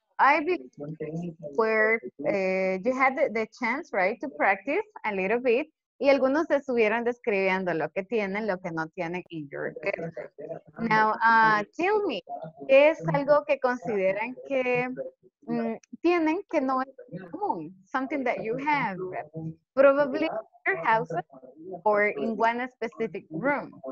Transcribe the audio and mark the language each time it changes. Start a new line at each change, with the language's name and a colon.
English: I believe you had the chance, right, to practice a little bit.
Spanish: Y algunos estuvieron describiendo lo que tienen, lo que no tienen in your case. Now, tell me, ¿qué es algo que consideran que tienen que no es común?
English: Something that you have, probably in your house or in one specific room.